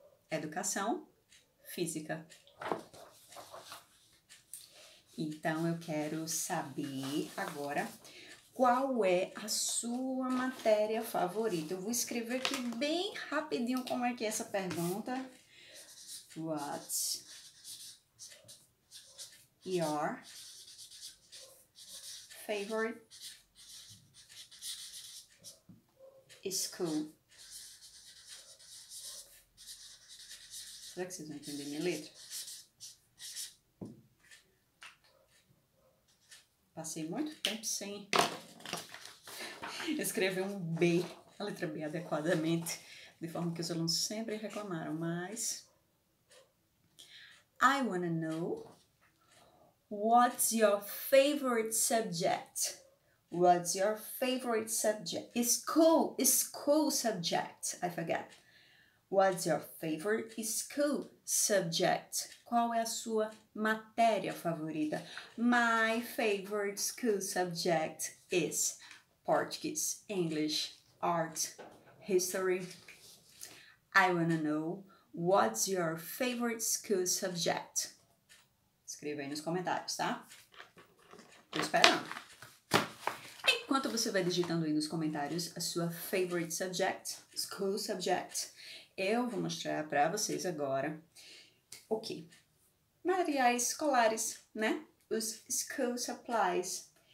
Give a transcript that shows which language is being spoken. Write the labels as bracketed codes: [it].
[pt] Educação física. Então, eu quero saber agora qual é a sua matéria favorita. Eu vou escrever aqui bem rapidinho como é que é essa pergunta. [en] What's your favorite school? [pt] Será que vocês vão entender minha letra? Passei muito tempo sem escrever um B, a letra B adequadamente, de forma que os alunos sempre reclamaram, mas [en] I wanna know what's your favorite subject? What's your favorite subject? School subject, I forget. What's your favorite school subject? [pt] Qual é a sua matéria favorita? [en] My favorite school subject is Portuguese, English, art, history. I wanna know what's your favorite school subject? [pt] Escreva aí nos comentários, tá? Tô esperando. Enquanto você vai digitando aí nos comentários a sua [en] favorite subject, school subject, [pt] eu vou mostrar para vocês agora o que? Materiais escolares, né? Os school supplies.